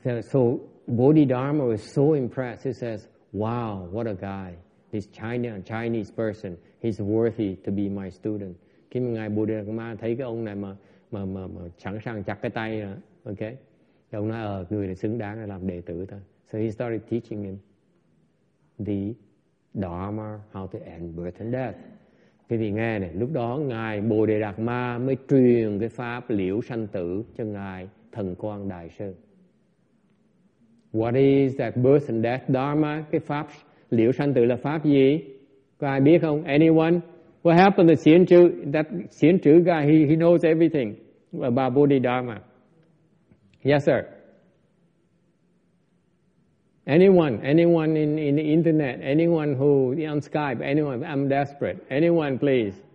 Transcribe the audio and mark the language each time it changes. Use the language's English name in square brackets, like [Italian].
[English] So Bodhidharma was so impressed. He says, wow, what a guy. He's Chinese person. He's worthy to be my student. [Vietnamese] Khi mà ngài Bồ Đề Đạt Ma thấy cái ông này mà chẳng sang chặt cái tay nữa, ok? Thì ông nói, người này xứng đáng để làm đệ tử ta. [English] So he started teaching him the Dharma, how to end birth and death. [Vietnamese] Thế thì nghe này, lúc đó ngài Bồ Đề Đạt Ma mới truyền cái pháp liễu sanh tử cho ngài Thần Quang Đại Sư. [English] What is that birth and death Dharma? [Vietnamese] Cái pháp liễu sanh tử là pháp gì? Có ai biết không? [English] Anyone? What happened to Xien Chu? That Xien Chu guy, he knows everything about Bodhidharma. Yes, sir. Anyone in the internet, anyone who on Skype, anyone, I'm desperate. Anyone, please.